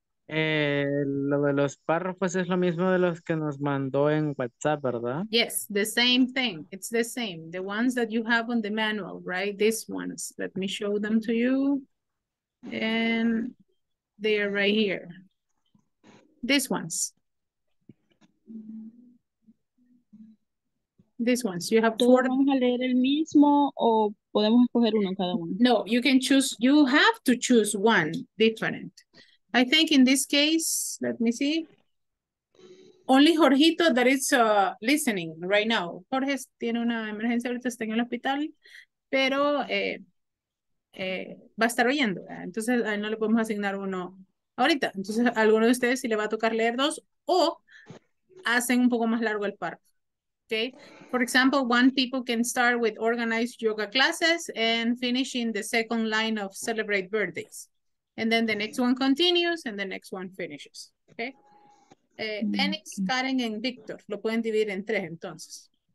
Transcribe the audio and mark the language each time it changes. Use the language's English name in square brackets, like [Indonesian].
[Spanish] Lo de los párrafos es lo mismo de los que nos mandó en WhatsApp, ¿verdad? [English] Yes, the same thing. It's the same. The ones that you have on the manual, right? These ones. Let me show them to you. And they are right here. These ones. These ones, you have [Spanish] four. ¿Vamos a leer el mismo o podemos escoger uno cada uno. [English] No, you can choose, you have to choose one different. I think in this case, let me see. Only Jorgito that is listening right now. [Spanish] Jorge tiene una emergencia, ahorita está en el hospital, pero va a estar oyendo. ¿Verdad? Entonces a él no le podemos asignar uno ahorita. Entonces a alguno de ustedes sí le va a tocar leer dos o hacen un poco más largo el par. [English] Okay. For example, one people can start with organized yoga classes and finish in the second line of celebrate birthdays. And then the next one continues and the next one finishes. [Spanish] Okay. Dennis, Karen, and Victor. Lo pueden dividir en tres, entonces.